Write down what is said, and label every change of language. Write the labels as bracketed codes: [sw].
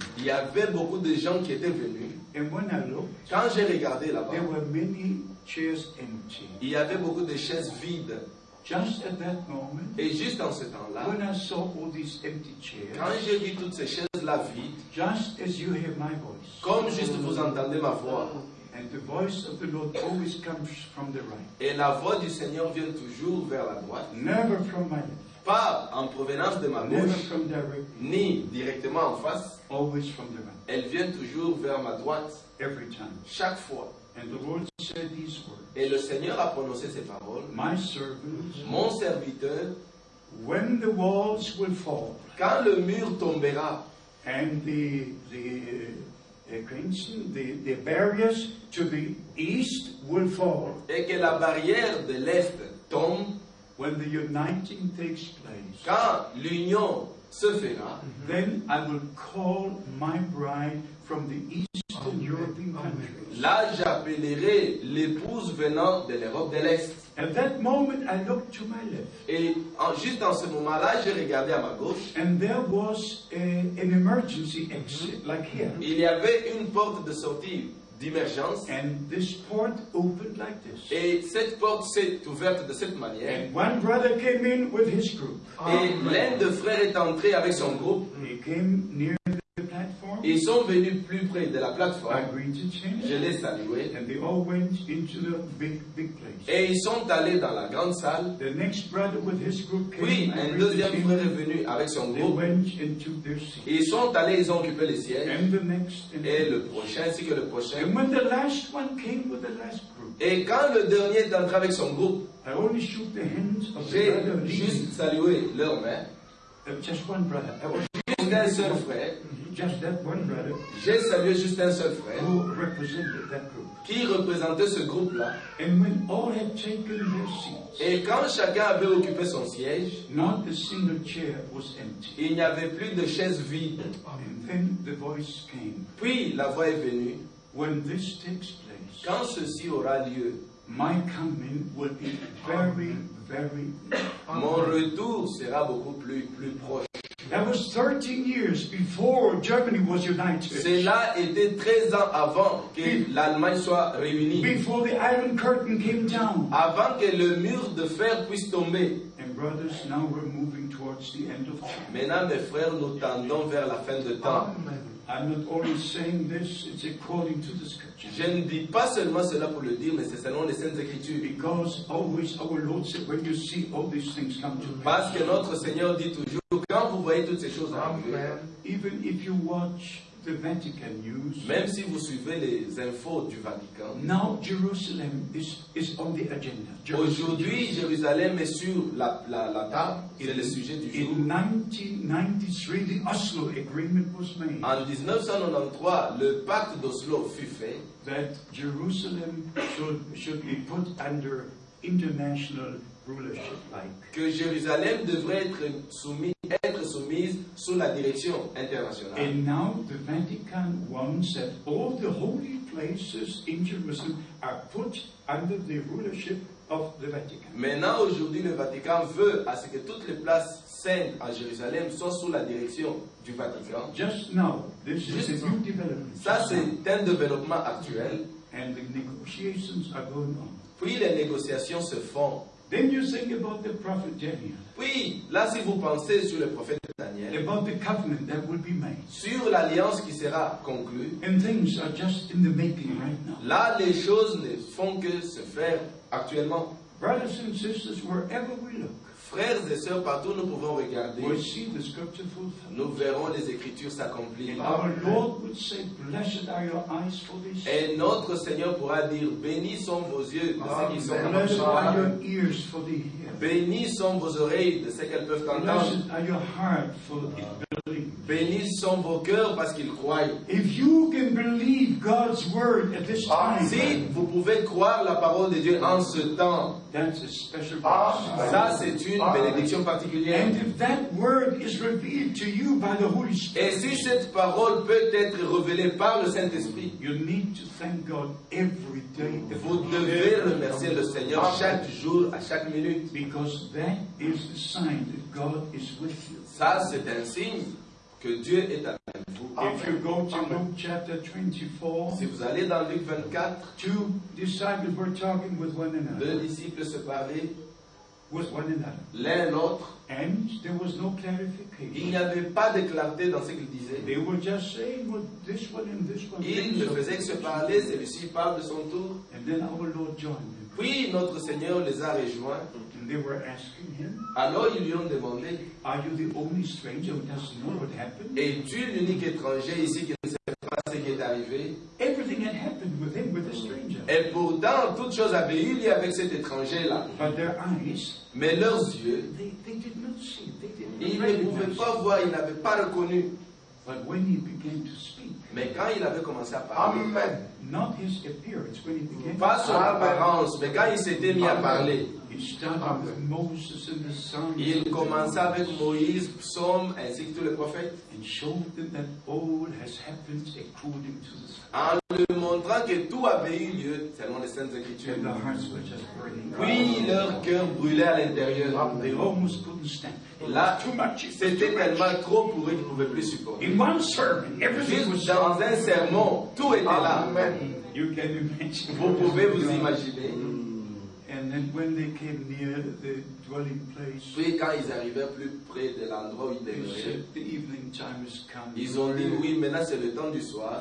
[fr] Il y avait beaucoup de gens qui étaient venus. [en] And when I looked, [fr] quand j'ai regardé là-bas, [en] there were many chairs empty. [fr] Il y avait beaucoup de chaises vides. [en] Just at that moment, [fr] et juste en ce temps-là, [en] when I saw all these empty chairs, [fr] quand j'ai vu toutes ces chaises-là vides, [en] just as you hear my voice, [fr] comme juste vous entendez ma voix, [en] and the voice of the Lord always comes from the right, [fr] et la voix du Seigneur vient toujours vers la droite, [en] never from my left, [fr] pas en provenance de ma bouche, [en] never from directly, [fr] ni directement en face, [en] always from the right, [fr] elle vient toujours vers ma droite, [en] every time, [fr] chaque fois. [en] And the Lord said these words. [fr] Et le Seigneur a prononcé ces paroles. [en] My servant, [fr] mon serviteur, [en] when the walls will fall, [fr] quand le mur tombera, [en] and the barriers to the east will fall, [fr] et que la barrière de l'est tombe, [en] when the uniting takes place, [fr] quand l'union se fera, [en] then I will call my bride from the eastern European countries. [fr] Là, j'appellerai l'épouse venant de l'Europe de l'Est. [en] At that moment, I looked to my left. [fr] Et juste dans ce moment-là, j'ai regardé à ma gauche. [en] And there was an emergency exit, like here. [fr] Il y avait une porte de sortie d'émergence. [en] And this port opened like this. [fr] Et cette porte s'est ouverte de cette manière. [en] And one brother came in with his group. [fr] Et l'un des frères est entré avec son groupe. [en] He came near the platform. [fr] Ils sont venus plus près de la plateforme. [en] I greeted him. [fr] Je les saluais. [en] And they all went into the big place. [fr] Et ils sont allés dans la grande salle. [en] The next brother with his group came. [fr] Puis un deuxième frère est venu avec son groupe. [en] They went into their seat. [fr] Ils sont allés, ils ont occupé les sièges. [en] And the next. [fr] Et le prochain, ainsi que le prochain. [en] And when the last one came with the last group. [fr] Et quand le dernier est entré avec son groupe. [en] I only shook the hands of the brother. [fr] J'ai juste salué leurs mains. [en] Just one brother. [fr] Juste un seul frère. [en] Just that one brother. [fr] J'ai salué juste un seul frère. [en] Who represented that group? [fr] Qui représentait ce groupe-là? [en] And when all had taken their seats. [fr] Et quand chacun avait occupé son siège. [en] Not a single chair was empty. [fr] Il n'y avait plus de chaise vide. [en] And then the voice came. [fr] Puis la voix est venue. [en] When this takes place. [fr] Quand ceci aura lieu. [en] My coming will be very, very. [fr] Mon retour sera beaucoup plus proche. [en] That was 13 years before Germany was united. [fr] Cela était 13 ans avant que l'Allemagne soit réunie. [en] Before the Iron Curtain came down. [fr] Avant que le mur de fer puisse tomber. [en] And brothers, now we're moving towards the end of time. [fr] Maintenant, mes frères, nous tendons vers la fin de temps. [en] I'm not only saying this, it's according to the scripture. [fr] Je ne dis pas seulement cela pour le dire, mais c'est selon les Saintes Écritures. [en] Because always our Lord said, when you see all these things come to pass. [fr] Parce que notre Seigneur dit toujours, quand vous voyez toutes ces choses arriver, [en] even if you watch the Vatican news, [fr] même si vous suivez les infos du Vatican, [en] now Jerusalem is on the agenda. [fr] Aujourd'hui, Jérusalem est sur la table. C'est le sujet du jour. [en] In 1993, the Oslo Agreement was made. [fr] En 1993, le pacte d'Oslo fut fait. [en] That Jerusalem should be put under international rulership, like. [fr] Que Jérusalem devrait être soumise sous la direction internationale. [en] And now the Vatican wants that all the holy places in Jerusalem are put under the rulership of the Vatican. [fr] Maintenant, aujourd'hui, le Vatican veut à ce que toutes les places saintes à Jérusalem soient sous la direction du Vatican. [en] Just now, this is a new development. [fr] Ça, c'est un développement actuel. [en] And the negotiations are going on. [fr] Puis les négociations se font. [en] Then you think about the prophet Daniel. [fr] Puis, là, si vous pensez sur le prophète Daniel, [en] about the covenant that will be made. [fr] Sur l'alliance qui sera conclue, [en] and things are just in the making right now. [fr] Là, les choses ne font que se faire actuellement. [en] Brothers and sisters, wherever we look, [fr] frères et sœurs, partout nous pouvons regarder, [en] we'll see the scripture fulfilled. [fr] Nous verrons les Écritures s'accomplir. [en] And our Lord would say, blessed are your eyes for this. [fr] Et notre Seigneur pourra dire, bénis sont vos yeux de ce qu'ils sont capables de voir. [en] Your ears for the hear. [fr] Bénis sont vos oreilles de ce qu'elles peuvent entendre. [en] Blessed are your heart for it believing. [fr] Bénis sont vos cœurs parce qu'ils croient. [en] If you can believe God's word at this time, [fr] si vous pouvez croire la parole de Dieu en ce temps, [en] that's a special blessing. [fr] Ça, c'est une bénédiction particulière. [en] And if that word is revealed to you by the Holy Spirit, [fr] et si cette parole peut être révélée par le Saint-Esprit, [en] you need to thank God every day. [fr] Vous devez remercier le Seigneur chaque jour, à chaque minute. [en] Because that is the sign that God is with you. [fr] Ça, c'est un signe que Dieu est avec vous. [en] If you go to Luke chapter 24, [fr] si vous allez dans Luc 24, [en] two disciples were talking with one another. [fr] Deux disciples se parlaient [en] with one another. [fr] L'un l'autre. [en] And there was no clarification. [fr] Il n'y avait pas de clarté dans ce qu'ils disaient. [en] They were just saying what this one and this one. [fr] Ils ne faisaient que se parler. Celui-ci parle de son tour. [en] And then our Lord joined them. [fr] Puis notre Seigneur les a rejoints. [en] And they were asking him. [fr] Alors ils lui ont demandé. [en] Are you the only stranger who doesn't know what happened? [fr] Es-tu l'unique étranger ici qui ne sait pas ce qui est arrivé? [en] Everything had happened with him with the stranger. [fr] Et pourtant toute chose avait eu lieu avec cet étranger là. [en] But their eyes. [fr] Mais leurs yeux. [en] They did not see. [fr] Ils ne pouvaient pas voir. Ils n'avaient pas reconnu. [en] But when he began to speak. [fr] Mais quand il avait commencé à parler. [en] Amen. Not his appearance when he began. [fr] Pas son apparence, mais quand il s'était mis à parler. [en] He started with Moses and the Psalms. [fr] Il commença avec Moïse, Psaume, ainsi que tous les prophètes. [en] And showed them that all has happened according to the Scripture. [fr] En lui montrant que tout avait eu lieu selon les Saintes Écritures. [en] And their hearts were just burning. [fr] Puis leur cœur brûlait à l'intérieur. [en] They almost couldn't stand. [fr] Là, c'était tellement trop pour eux qu'ils ne pouvaient plus supporter. [en] In one sermon, everything was [fr] dans [en] was [fr] un sermon, tout était là. [en] You can imagine. [fr] Vous pouvez vous imaginer. [en] And then when they came near the dwelling place, [fr] puis quand ils arrivaient plus près de l'endroit où ils demeuraient, [en] the evening time has come. [fr] Ils ont dit oui, maintenant c'est le temps du soir.